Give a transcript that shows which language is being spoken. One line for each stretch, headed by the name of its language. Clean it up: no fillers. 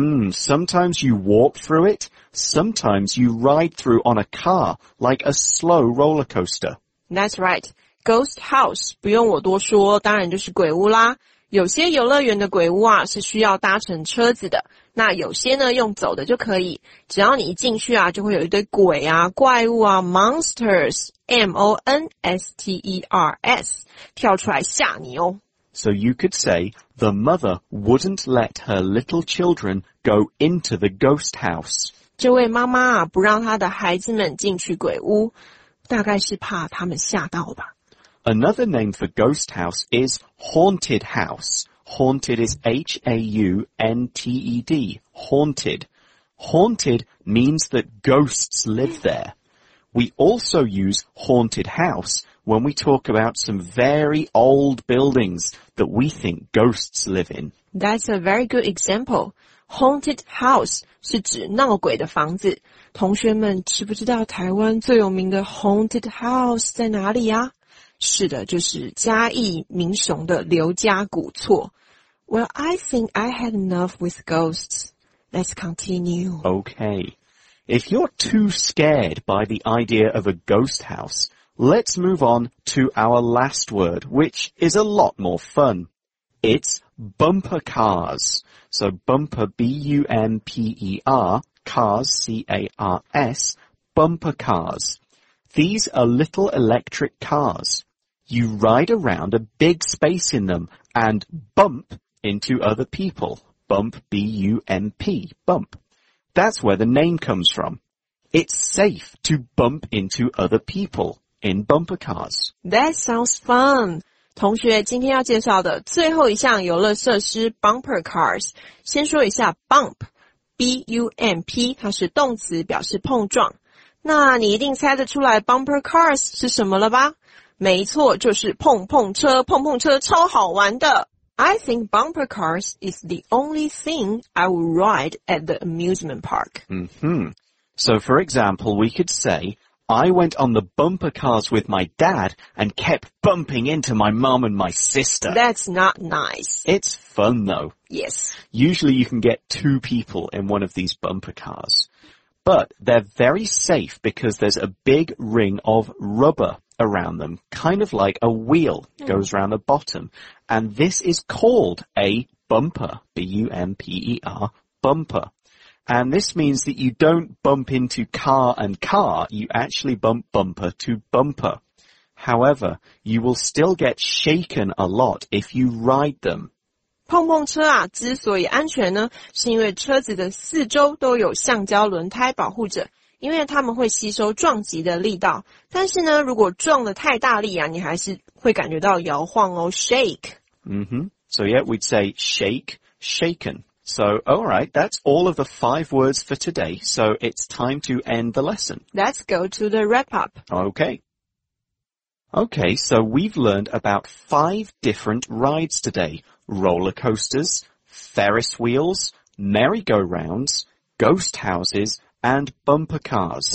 English: Sometimes you walk through it, sometimes you ride through on a car, like a slow roller coaster. That's right.
Chinese: Ghost House, 不用我多说，当然就是鬼屋啦。有些游乐园的鬼屋啊，是需要搭乘车子的，那有些呢，用走的就可以。只要你一进去啊，就会有一堆鬼啊、怪物啊 ,monsters, M-O-N-S-T-E-R-S, 跳出来吓你哦。
English: So you could say, the mother wouldn't let her little children go into the ghost house.
Chinese: 这位妈妈啊，不让她的孩子们进去鬼屋，大概是怕他们吓到吧。
English: Another name for ghost house is haunted house. Haunted is H-A-U-N-T-E-D, haunted. Haunted means that ghosts live there. We also use haunted house when we talk about some very old buildings that we think ghosts live in. That's a very good example. Haunted house
Chinese: 是指闹鬼的房子。同学们知不知道台湾最有名的 haunted house 在哪里啊？是的，就是嘉义民雄的刘家古厝。
English: Well, I think I had enough with ghosts. Let's continue. Okay. If you're too scared by the idea of a ghost house, let's move on to our last word, which is a lot more fun. It's bumper cars. So bumper, B-U-M-P-E-R, cars, C-A-R-S, bumper cars. These are little electric cars. You ride around a big space in them and bump into other people. Bump, B-U-M-P, bump. That's where the name comes from. It's safe to bump into other people in bumper cars. That sounds fun.
Chinese: 同学，今天要介绍的最后一项游乐设施 bumper cars， 先说一下 bump， B-U-M-P， 它是动词，表示碰撞。那你一定猜得出来 bumper cars 是什么了吧？没错，就是碰碰车，碰碰车超好玩的。
English: I think bumper cars is the only thing I would ride at the amusement park. Mm-hmm. So for example, we could say, I went on the bumper cars with my dad and kept bumping into my mom and my sister. That's not nice. It's fun though. Yes. Usually you can get two people in one of these bumper cars. But they're very safe because there's a big ring of rubber around them, kind of like a wheel goes around the bottom. And this is called a bumper, B-U-M-P-E-R, bumper. And this means that you don't bump into car and car, you actually bump bumper to bumper. However, you will still get shaken a lot if you ride them.
Chinese: 碰碰车啊，之所以安全呢，是因为车子的四周都有橡胶轮胎保护着，因为它们会吸收撞击的力道。但是呢，如果撞得太大力啊，你还是会感觉到摇晃哦 ，shake。
English: Mm-hmm. So yeah, we'd say shake, shaken. So all right, that's all of the five words for today. So it's time to end the lesson. Let's go to the wrap up. Okay. Okay, so we've learned about five different rides today. Roller coasters, Ferris wheels, merry-go-rounds, ghost houses, and bumper cars.